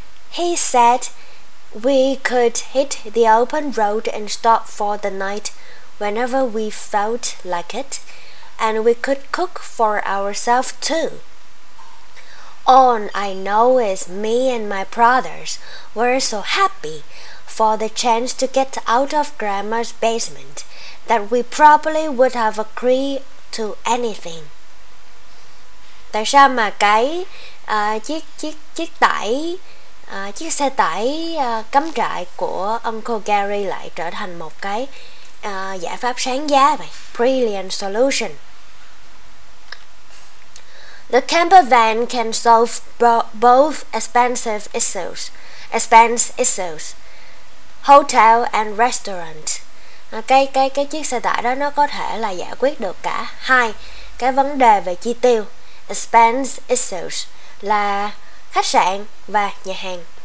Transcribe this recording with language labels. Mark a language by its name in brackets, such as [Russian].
[English] He said we could hit the open road and stop for the night whenever we felt like it, and we could cook for ourselves too. All I know is me and my brothers were so happy for the chance to get out of Grandma's basement that we probably would have agreed to anything. [Vietnamese] Tại sao mà cái chiếc xe tải cắm trại của Uncle Gary lại trở thành một cái giải pháp sáng giá vậy? [English] Brilliant solution. The camper van can solve both expense issues, hotel and restaurant. [Vietnamese] Cái chiếc xe tải đó nó có thể là giải quyết được cả hai cái vấn đề về chi tiêu, [English] expense issues [Vietnamese] là khách sạn và nhà hàng.